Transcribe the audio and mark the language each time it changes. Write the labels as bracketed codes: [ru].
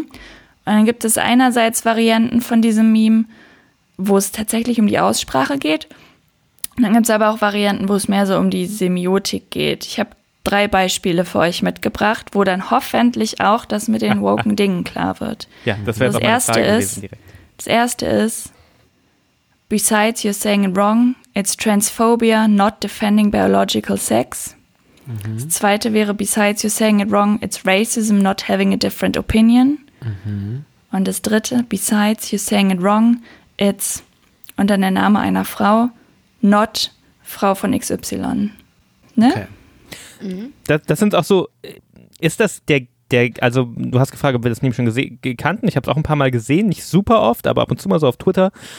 [de] Und dann gibt es einerseits Varianten von diesem Meme, wo es tatsächlich um die Aussprache geht. Und dann gibt es aber auch Varianten, wo es mehr so um die Semiotik geht. Ich habe 3 Beispiele für euch mitgebracht, wo dann hoffentlich auch das mit den woken Dingen klar wird. Ja, das wäre doch meine Frage gewesen direkt. Das erste ist, [en] besides you're saying it wrong, it's transphobia, not defending biological sex. Mhm. [de] Das zweite wäre, [en] besides you're saying it wrong, it's racism, not having a different opinion. Mhm. [de] Und das dritte, [en] besides you're saying it wrong, it's, [de] und dann der Name einer Frau, not Frau von XY. Ne? Okay. Das sind auch so, ist das der also du hast gefragt, ob wir das nämlich schon gekannt haben, ich habe es auch ein paar Mal gesehen, nicht super oft, aber ab und zu mal so auf Twitter.